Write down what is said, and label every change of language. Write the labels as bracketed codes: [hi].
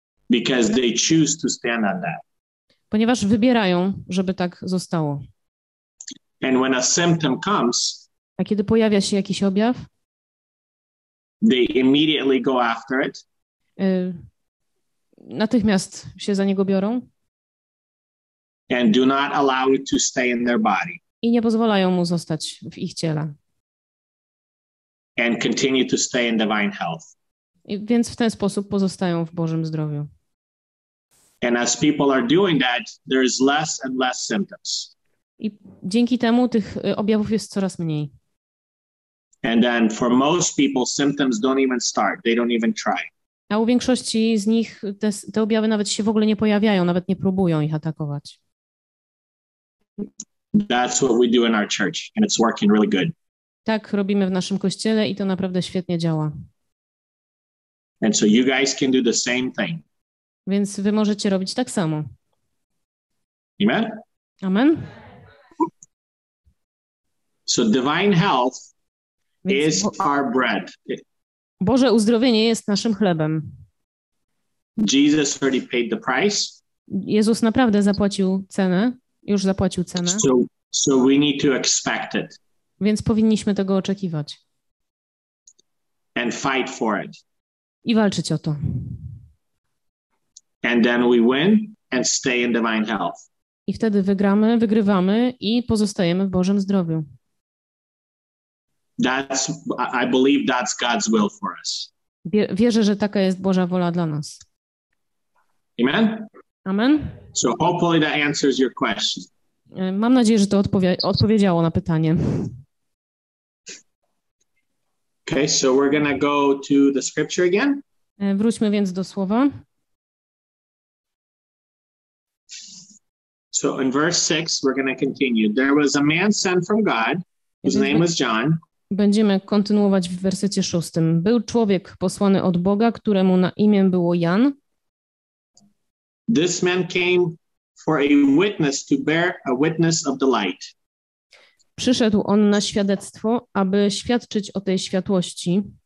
[en] Because they choose to stand on that. [pl] Ponieważ wybierają, żeby tak zostało. [en] And when a symptom comes, [pl] a kiedy pojawia się jakiś objaw, [en] they immediately go after it. [pl] Natychmiast się za niego biorą. [en] And do not allow it to stay in their body. [pl] I nie pozwalają mu zostać w ich ciele. [en] And continue to stay in divine health. [pl] I więc w ten sposób pozostają w Bożym zdrowiu. [en] And as people are doing that, there is less and less symptoms. [pl] I dzięki temu tych objawów jest coraz mniej. [en] And then for most people, symptoms don't even start. They don't even try. [pl] A u większości z nich te objawy nawet się w ogóle nie pojawiają, nawet nie próbują ich atakować. [en] That's what we do in our church, and it's working really good. [pl] Tak robimy w naszym kościele i to naprawdę świetnie działa. [en] And so you guys can do the same thing. [pl] Więc wy możecie robić tak samo. [en] Amen. Amen. So divine health is our bread. [pl] Boże uzdrowienie jest naszym chlebem. [en] Jesus already paid the price. [pl] Jezus naprawdę zapłacił cenę. Już zapłacił cenę. [en] So we need to expect it. [pl] Więc powinniśmy tego oczekiwać. [en] And fight for it. [pl] I walczyć o to. [en] And then we win and stay in divine health. [pl] I wtedy wygramy, wygrywamy i pozostajemy w Bożym zdrowiu. [en] I believe that's God's will for us. [pl] Wierzę, że taka jest Boża wola dla nas. [en] Amen. Amen. So hopefully that answers your question. [pl] Mam nadzieję, że to odpowiedziało na pytanie. [en] Okay, so we're gonna go to the scripture again. [pl] Wróćmy więc do słowa. [en] So in verse 6, we're gonna continue. There was a man sent from God, whose name was John. [pl] Będziemy kontynuować w wersecie 6. Był człowiek posłany od Boga, któremu na imię było Jan. [en] This man came for a witness to bear a witness of the light. [pl] Przyszedł on na świadectwo, aby świadczyć o tej światłości.